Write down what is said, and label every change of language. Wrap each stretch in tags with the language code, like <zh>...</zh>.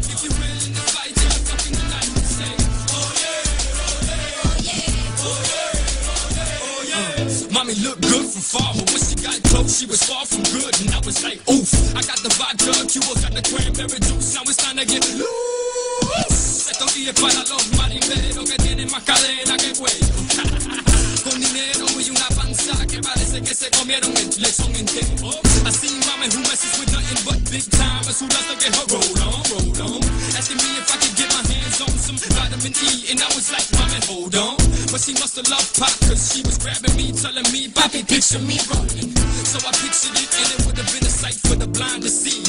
<en>if you're willing to fight till you're fucking alive, insane. Oh yeah, oh yeah, oh yeah, oh yeah, oh yeah, oh yeah, oh yeah. Mommy looked good from far, but when she got close, she was far from good, and I was like, oof. I got the vodka, Cuba got the cranberry juice, now it's time to get loose.</en> <es>Esto aquí es para los marineros que tienen más cadena que cuello. Con dinero y una panza que parece que se comieron el lechón entero.</es> <en>I seen mommy who messes with nothing but big time, as soon as I get her roll on, roll on. Asking me if I could get my hands on some vitamin E, and I was like, mommy, hold on. But she must have loved pop, cause she was grabbing me, telling me, Papi, picture me running. So I pictured it, and it would have been a sight for the blind to see.</en>